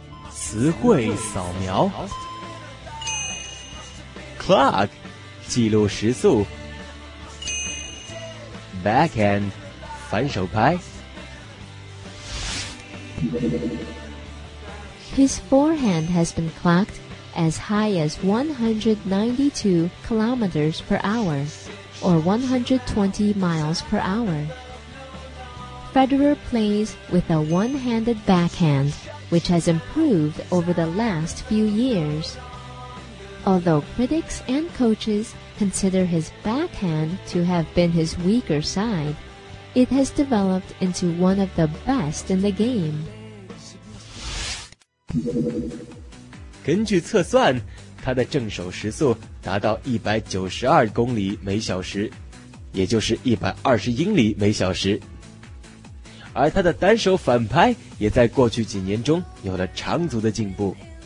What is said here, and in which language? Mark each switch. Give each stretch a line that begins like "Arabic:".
Chinese: 词汇扫描 Clock 记录时速Backhand 反手拍
English: His forehand has been clocked as high as 192 kilometers per hour or 120 miles per hour. Federer plays with a one-handed backhand which has improved over the last few years. Although critics and coaches consider his backhand to have been his weaker side, it has developed into one of the best in the game.
Chinese: 根据测算，他的正手时速达到192公里每小时，也就是120英里每小时。而他的单手反拍也在过去几年中有了长足的进步。